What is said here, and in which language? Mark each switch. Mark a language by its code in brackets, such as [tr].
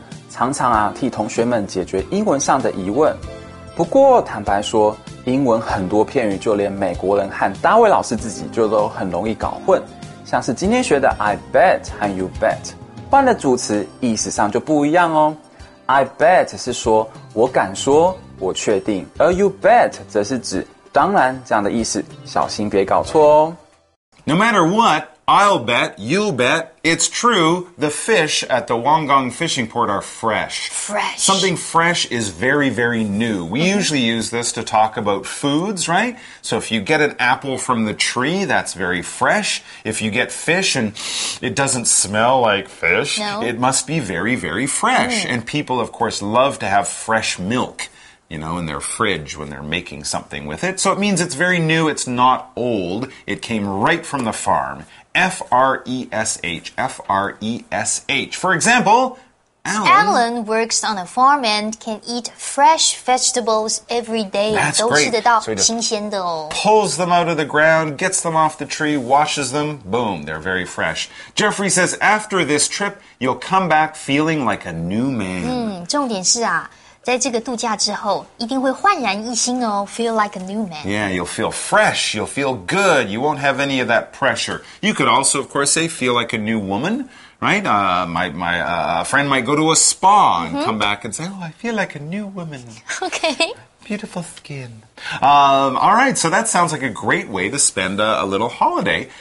[zh] 常常啊替同学们解决英文上的疑问。不过坦白说，英文很多片语就连美国人和大卫老师自己就都很容易搞混，像是今天学的 I bet 和 you bet 换了主词意思上就不一样哦。 I bet 是说我敢说我确定，而 you bet 则是指当然这样的意思，小心别搞错哦。 [en] No matter what, I'll bet, you'll bet, it's true, the fish at the Wangong fishing port are fresh. Fresh. Something fresh is very, very new. We usually use this to talk about foods, right? So if you get an apple from the tree, that's very fresh. If you get fish and it doesn't smell like fish, No. It must be very, very fresh. Mm. And people, of course, love to have fresh milk. You know, in their fridge when they're making something with it. So it means it's very new, it's not old. It came right from the farm. F-R-E-S-H, F-R-E-S-H. For example, Alan works on a farm and can eat fresh vegetables every day. That's great. [zh] 都吃得到新鲜的哦。 [en] Pulls them out of the ground, gets them off the tree, washes them, boom, they're very fresh. Jeffrey says, after this trip, you'll come back feeling like a new man. [zh] 重点是啊。在这个度假之后一定会焕然一新哦， feel like a new man. [en] Yeah, you'll feel fresh, you'll feel good, you won't have any of that pressure. You could also, of course, say feel like a new woman, right? My friend might go to a spa and come back and say, oh, I feel like a new woman. Okay. Beautiful skin. All right, so that sounds like a great way to spend a little holiday.